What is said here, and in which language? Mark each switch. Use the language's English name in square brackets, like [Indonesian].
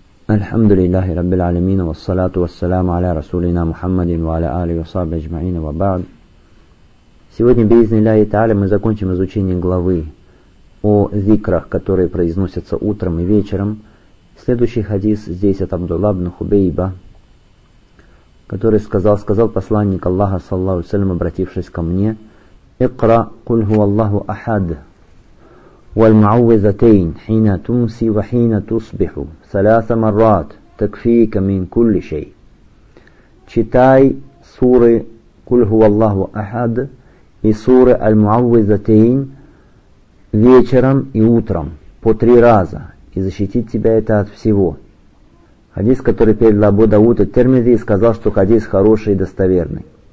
[Arabic] الحمد لله رب العالمين، والصلاة والسلام على رسولنا محمد وعلى آله وصحبه أجمعين، وبعد. [Russian] Сегодня, [Arabic] بإذن الله تعالى, [Russian] мы закончим изучение главы о зикрах, которые произносятся утром и вечером. Следующий хадис здесь от Абдулла ибн Хубейба, который сказал посланник Аллаха, саллаллаху алейхи ва саллям, обратившись ко мне: [Arabic] «Икра, куль хуа Аллаху ахад». والمعوذتين حين تمسي وحين تصبح ثلاث مرات تكفيك من كل شيء. [Russian] читай суры [Arabic] قل هو الله احد [Russian] и суры المعوذتين вечером и утром по три раза, и защитит тебя это от всего. Хадис, который передал Абу Дауд ат-Тирмизи, сказал, что хадис хороший и достоверный.